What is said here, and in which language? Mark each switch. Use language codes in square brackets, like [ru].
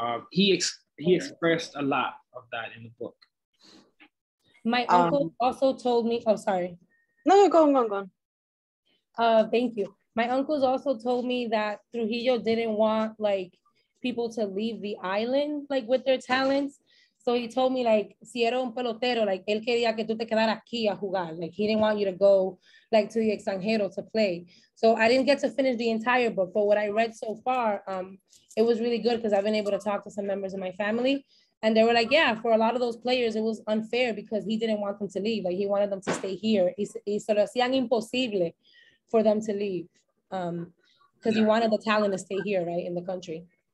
[en] He expressed a lot of that in the book. My uncle also told me, oh, sorry. No, go on. Thank you. My uncles also told me that Trujillo didn't want like people to leave the island like with their talents. So he told me like, [es] si era un pelotero, like, él quería que tú te quedaras aquí a jugar. [en] Like, he didn't want you to go like to the extranjero to play. So I didn't get to finish the entire book, but what I read so far, it was really good because I've been able to talk to some members of my family. And they were like, yeah, for a lot of those players, it was unfair because he didn't want them to leave. Like, he wanted them to stay here. [es] Y se lo hacían imposible [en] for them to leave because he wanted the talent to stay here, right, in the country.